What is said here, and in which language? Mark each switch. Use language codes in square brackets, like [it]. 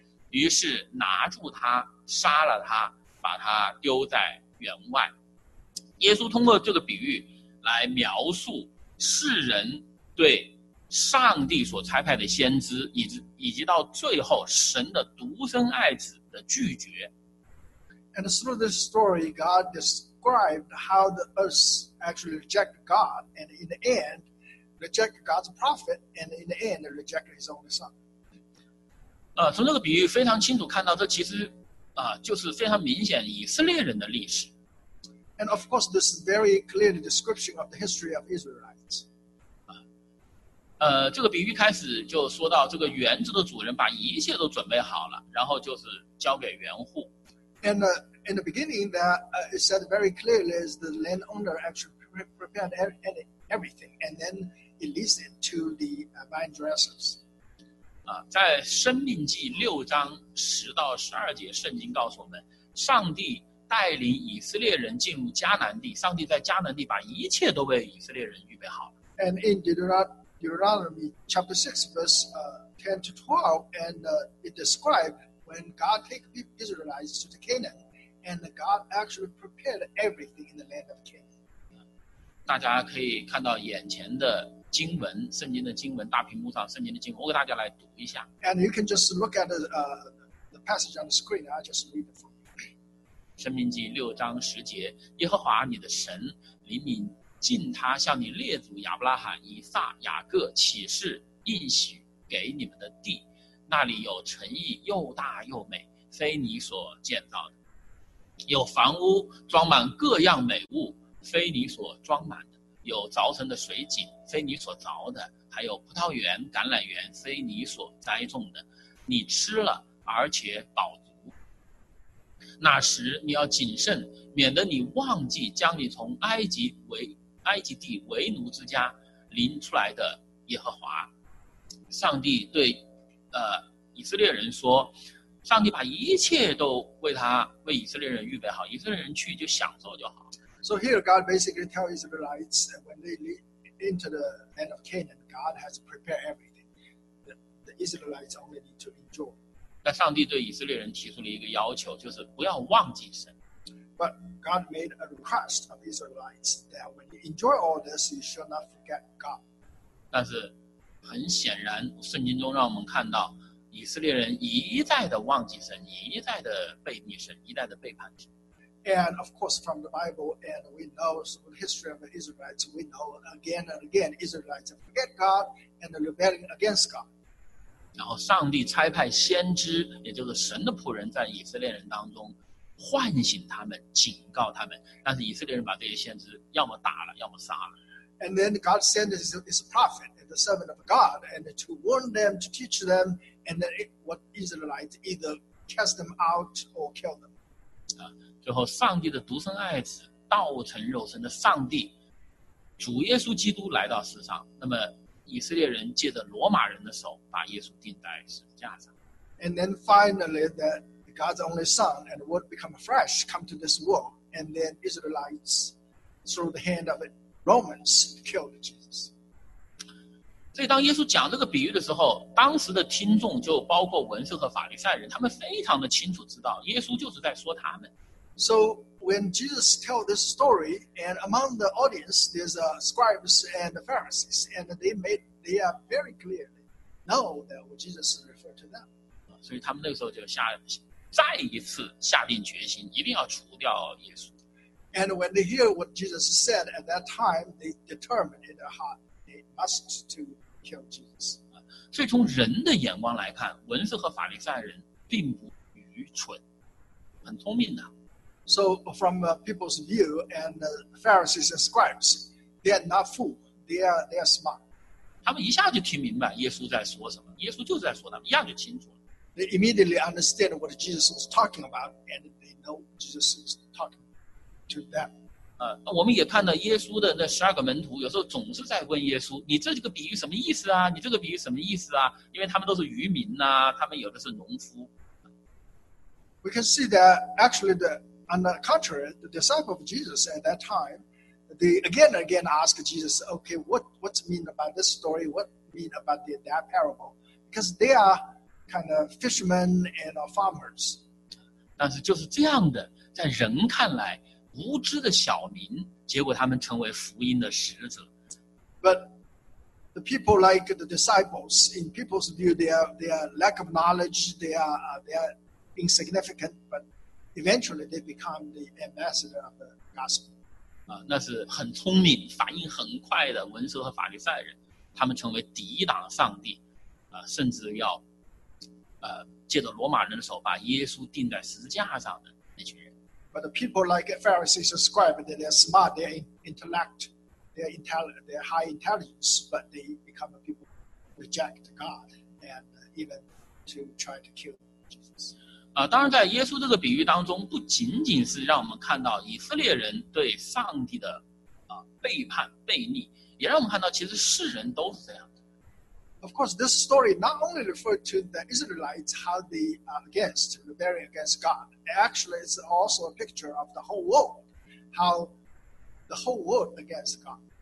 [zh] 于是拿住他，杀了他，把他丢在园外。耶稣通过这个比喻来描述世人对上帝所差派的先知，以及到最后神的独生爱子的拒绝。 [en] And through this story, God described how the earth actually reject God, and in the end. Reject God's prophet, and in the end, reject His own Son. [zh] 从这个比喻非常清楚看到，这其实就是非常明显以色列人的历史。 [en] And of course, this is very clear description of the history of Israelites. [zh] 这个比喻开始就说到这个园子的主人把一切都准备好了，然后就是交给园户。 [en] And in the beginning, that it said very clearly is the landowner actually prepared everything, and then it leads into the vine dressers. [zh] 在生命记六章十到十二节，圣经告诉我们，上帝带领以色列人进入迦南地，上帝在迦南地把一切都为以色列人预备好了。 [en] And in Deuteronomy chapter 6, verse 10 to 12, it described when God took Israelites to the Canaan, and God actually prepared everything in the land of Canaan. [zh] 大家可以看到眼前的经文，圣经的经文，大屏幕上圣经的经文，我给大家来读一下。 [en] And you can just look at the passage on the screen. I just read it for you. [zh] 申命记六章十节，耶和华你的神怜悯尽他向你列祖亚伯拉罕、以撒、雅各起誓应许给你们的地，那里有诚意又大又美，非你所建造的；有房屋装满各样美物。非你所装满的，有凿成的水井，非你所凿的，还有葡萄园、橄榄园，非你所栽种的，你吃了而且饱足。那时你要谨慎，免得你忘记将你从埃及地为奴之家领出来的耶和华。上帝对以色列人说，上帝把一切都为以色列人预备好，以色列人去就享受就好。 [en] So here, God basically tells Israelites that when they enter the land of Canaan, God has prepared everything. The Israelites only need to enjoy. [zh] 但上帝对以色列人提出了一个要求，就是不要忘记神。 [en] But God made a request of Israelites that when you enjoy all this, you shall not forget God. [zh] 但是很显然，圣经中让我们看到以色列人一再的忘记神，一再的背逆神，一再的背叛神。 [en] And of course, from the Bible, and we know the history of the Israelites. We know again and again, Israelites forget God and the rebellion against God. [zh] 然后，上帝差派先知，也就是神的仆人，在以色列人当中唤醒他们，警告他们。但是以色列人把这些先知要么打了，要么杀了。 [en] And then God sent his prophet, the servant of God, and to warn them, to teach them, and then what Israelites either cast them out or kill them. [zh] 最后，上帝的独生爱子，道成肉身的上帝，主耶稣基督来到世上。那么，以色列人借着罗马人的手，把耶稣钉在十字架上。 [en] And then finally, that God's only Son and Word become flesh, come to this world, and then Israelites, through the hand of Romans, killed Jesus. [zh] 所以，当耶稣讲这个比喻的时候，当时的听众就包括文士和法利赛人，他们非常的清楚知道，耶稣就是在说他们。 [en] So when Jesus tells this story, and among the audience, there's scribes and Pharisees, and they are very clear, they know that Jesus is referring to them. [zh] 所以他们那时候就再一次下定决心，一定要除掉耶稣。 [en] And when they hear what Jesus said at that time, they determined in their heart they must to kill Jesus. [zh] 所以从人的眼光来看，文士和法利赛人并不愚蠢，很聪明的。 [en] So from people's view and Pharisees and scribes, they are not fool. They are smart. [zh] 他们一下就听明白耶稣在说什么，耶稣就在说他们，一下就清楚了。 [en] They immediately understand what Jesus was talking about, and they know Jesus is talking to them. [zh] 我们也看到耶稣的那十二个门徒，有时候总是在问耶稣：“你这个比喻什么意思啊？你这个比喻什么意思啊？” 因为他们都是渔民呐、啊，他们有的是农夫。 [en] We can see that actually the On the contrary, the disciples of Jesus at that time, they again and again asked Jesus, okay, what's mean about this story? What mean about that parable? Because they are kind of fishermen and farmers. [zh] 但是就是这样的，在人看来，无知的小民，结果他们成为福音的使者。 [en] But the people like the disciples, in people's view, they are lack of knowledge, they are insignificant, but eventually they become the ambassador of the gospel. [zh] 那是很聪明反应很快的文士和法利赛人，他们成为抵挡上帝甚至要借着罗马人的手把耶稣钉在十字架上的那群人。 [en] But the people like Pharisees and scribes, they are smart, they are intellect, they are high intelligence, but they become a people who reject God and even to try to kill Jesus. [zh] 当然在耶稣这个比喻当中不仅仅是让我们看到以色列人对上帝的背叛背逆，也让我们看到其实世人都是这样的。 [en] Of course, this story not only referred to the Israelites, how they are against, rebelling against God. Actually, it's also a picture of the whole world, how the whole world against God.